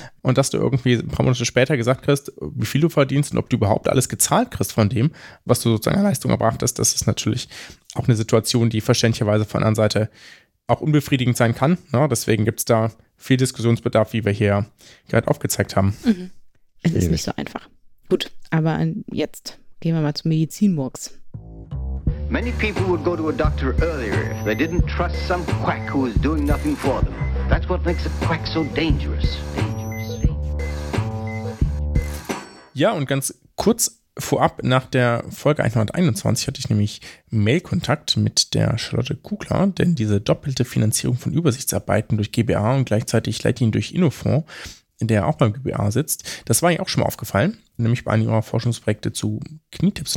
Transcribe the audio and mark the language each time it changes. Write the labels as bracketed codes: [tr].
[de] Und dass du irgendwie ein paar Monate später gesagt kriegst, wie viel du verdienst und ob du überhaupt alles gezahlt kriegst von dem, was du sozusagen an Leistung erbracht hast, das ist natürlich auch eine Situation, die verständlicherweise von einer Seite auch unbefriedigend sein kann, ne? Deswegen gibt es da viel Diskussionsbedarf, wie wir hier gerade aufgezeigt haben. Es ist nicht so einfach. Gut, aber jetzt gehen wir mal zum Medizinmurks. [en] Many people would go to a doctor earlier if they didn't trust some quack who was doing nothing for them. That's what makes a quack so dangerous. [de] Ja, und ganz kurz vorab, nach der Folge 121 hatte ich nämlich Mailkontakt mit der Charlotte Kugler, denn diese doppelte Finanzierung von Übersichtsarbeiten durch GBA und gleichzeitig Leitlinien durch Innofonds, der auch beim GBA sitzt, das war ihr auch schon mal aufgefallen, nämlich bei einem ihrer Forschungsprojekte zu Knietipps.